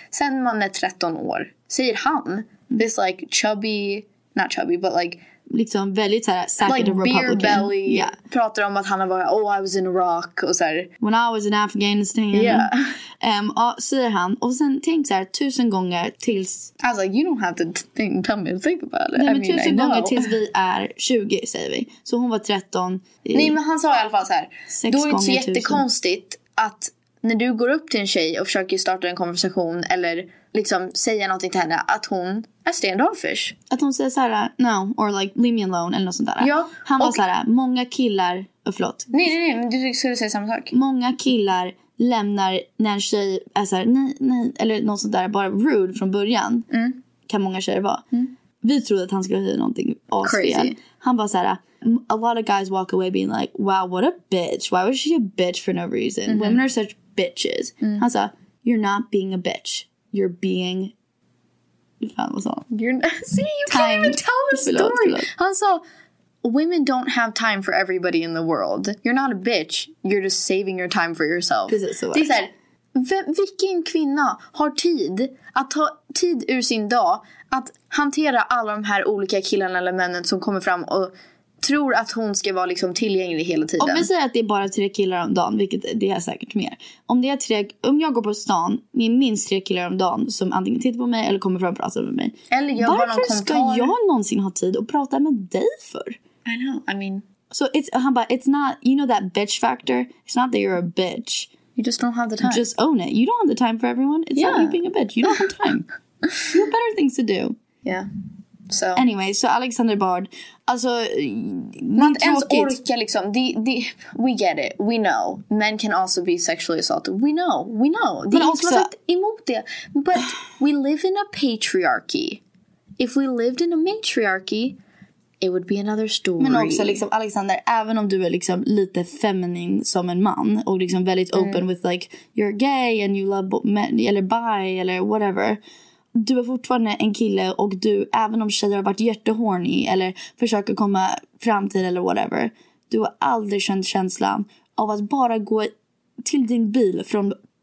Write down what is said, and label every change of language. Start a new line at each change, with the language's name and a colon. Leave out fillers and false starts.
Swedish: Sen man är 13 år, säger han.
English: This like chubby, not chubby, but like,
Swedish: liksom väldigt såhär, sack
English: like of Republican. Beer belly.
Swedish: Yeah. Pratar om att han har varit,
English: oh I was in Iraq.
Swedish: Och såhär,
English: when I was in Afghanistan. Yeah.
Swedish: Säger han. Och sen tänk såhär 1000 gånger tills,
English: I was like, you don't have to tell me to think about it.
Swedish: Nej,
English: I
Swedish: men 1000 gånger tills vi är 20, säger vi. Så hon var 13. Nej, men han sa i alla fall såhär, då är det jättekonstigt att när du går upp till en tjej och försöker starta en konversation eller liksom säga någonting till henne, att hon
English: a standoffish.
Swedish: Att hon säger såhär,
English: no, or like, leave me alone,
Swedish: eller något sånt där. Ja. Han var såhär, många killar, förlåt. Nej, men du skulle säga samma sak. Många killar lämnar när en tjej är såhär, nej, eller något sånt där, bara rude från början. Mm. Kan många tjejer vara. Mm. Vi trodde att han skulle säga någonting asfel. Han var såhär,
English: a lot of guys walk away being like, wow, what a bitch. Why was she a bitch for no reason? Mm-hmm. Women are such bitches. Mm.
Swedish: Han sa,
English: you're not being a bitch. You're being... You're see, you timed. Can't even tell the story. Also, women don't have time for everybody in the world. You're not a bitch. You're just saving your time for yourself.
Swedish: Precis, så var det. Vilken kvinna har tid att ta tid ur sin dag att hantera alla de här olika killarna eller männen som kommer fram och tror att hon ska vara liksom tillgänglig hela tiden? Om vi säger att det är bara tre killar om dagen, vilket det är säkert mer. Om det är tre, om jag går på stan med minst tre killar om dagen som antingen tittar på mig eller kommer fram och pratar med mig. Eller jag varför någon ska kontor? Jag någonsin ha tid att prata med dig för?
English: I know, I mean... So it's,
Swedish: han bara,
English: it's not, you know that bitch factor? It's not that you're a bitch. You just don't have the time. Just own it. You don't have the time for everyone. It's not you being a bitch. You don't have time. You have better things to do. Yeah. So.
Swedish: Anyway, så Alexander Bard, alltså, man ens orkar liksom,
English: we get it, we know, men can also be sexually assaulted, we know,
Swedish: de men också emot det,
English: but we live in a patriarchy, if we lived in a matriarchy, it would be another story.
Swedish: Men också liksom, Alexander, även om du är liksom lite feminin som en man, och liksom väldigt
English: open with like, you're gay and you love men,
Swedish: eller bi, eller whatever, du är fortfarande en kille och du, även om tjejer har varit jättehorny eller försöker komma fram till eller whatever, du har aldrig känt känslan av att bara gå till din bil från